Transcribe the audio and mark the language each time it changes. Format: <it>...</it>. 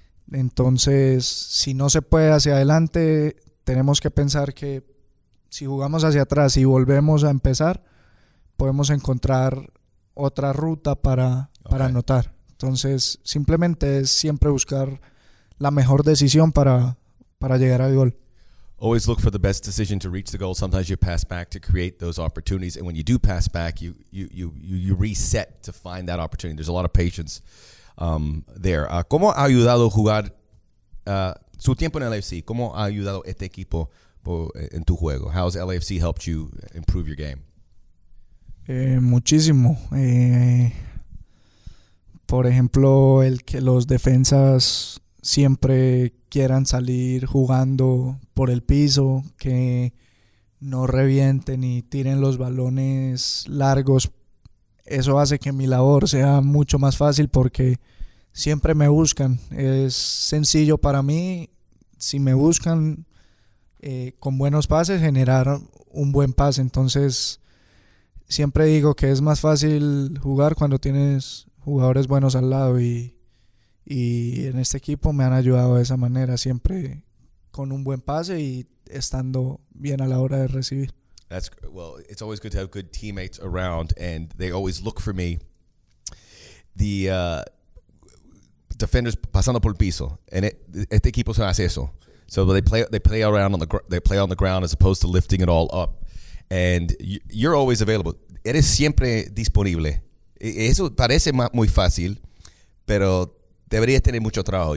<es>Entonces, si no se puede hacia adelante, tenemos que pensar que si jugamos hacia atrás y volvemos a empezar, podemos encontrar otra ruta para anotar. Entonces, simplemente es siempre buscar la mejor decisión para llegar al gol.</es> <en>Always look for the best decision to reach the goal. Sometimes you pass back to create those opportunities, and when you do pass back, you reset to find that opportunity. There's a lot of patience there.</en> <es>¿Cómo ha ayudado jugar su tiempo en LAFC? ¿Cómo ha ayudado este equipo en tu juego?</es> <en>How has LAFC helped you improve your game?</en> <es>Muchísimo. Por ejemplo, el que los defensas siempre quieran salir jugando por el piso, que no revienten y tiren los balones largos. Eso hace que mi labor sea mucho más fácil porque siempre me buscan. Es sencillo para mí, si me buscan con buenos pases, generar un buen pase. Entonces, siempre digo que es más fácil jugar cuando tienes jugadores buenos al lado y en este equipo me han ayudado de esa manera, siempre con un buen pase y estando bien a la hora de recibir.</es> <en>That's, well, it's always good to have good teammates around, and they always look for me. The defenders</en> <es>pasando por el piso, and este equipo se hace eso.</es> <en>So they play around on the ground as opposed to lifting it all up, and you're always available.</en> <es>Eres siempre disponible. Eso parece muy fácil, pero deberías tener mucho trabajo.</es>